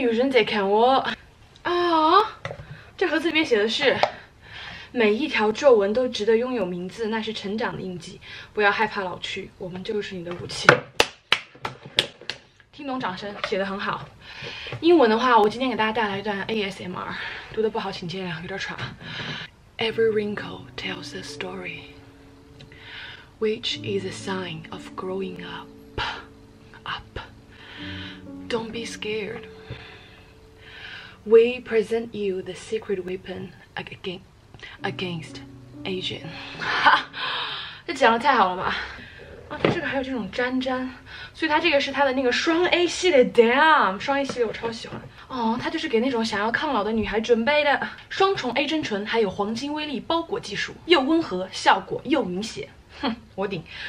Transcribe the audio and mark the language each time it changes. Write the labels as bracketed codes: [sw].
[zh] 姐看我啊、哦！这盒子里面写的是，每一条皱纹都值得拥有名字，那是成长的印记。不要害怕老去，我们就是你的武器。听懂掌声，写得很好。英文的话，我今天给大家带来一段 ASMR， 读得不好请见谅，有点喘。 [en] Every wrinkle tells a story, which is a sign of growing up. Up. Don't be scared. We present you the secret weapon against aging. [zh] 哈，这讲得太好了嘛！啊，它这个还有这种粘粘，所以它这个是它的那个双 A 系列 ，Damn， 双 A 系列我超喜欢。哦，它就是给那种想要抗老的女孩准备的，双重 A 真醇，还有黄金微粒包裹技术，又温和，效果又明显，哼，我顶。